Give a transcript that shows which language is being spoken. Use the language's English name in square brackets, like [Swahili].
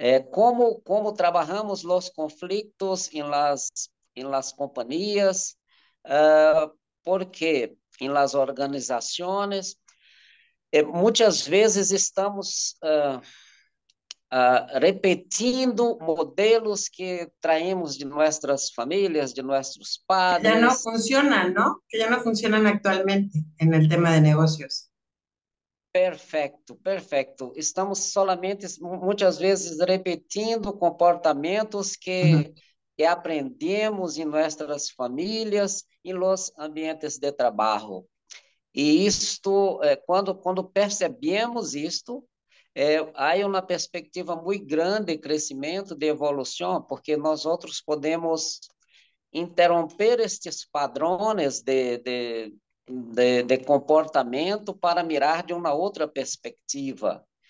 [Portuguese] Como trabalhamos los conflitos em las companhias, porque em las organizações, muitas vezes estamos repetindo modelos que [Spanish] traemos de nuestras familias, de nuestros Ya no padres. funcionan, ¿no? Que ya no funcionan actualmente en el tema de negocios. Perfecto, perfecto. [Portuguese] Estamos solamente muitas vezes repetindo comportamentos que aprendemos em nuestras familias e nos ambientes de trabalho. E isto, quando percebemos isto, há uma perspectiva muito grande de crescimento, de evolução, porque nós outros podemos interromper estes padrões de comportamento para mirar de uma outra perspectiva.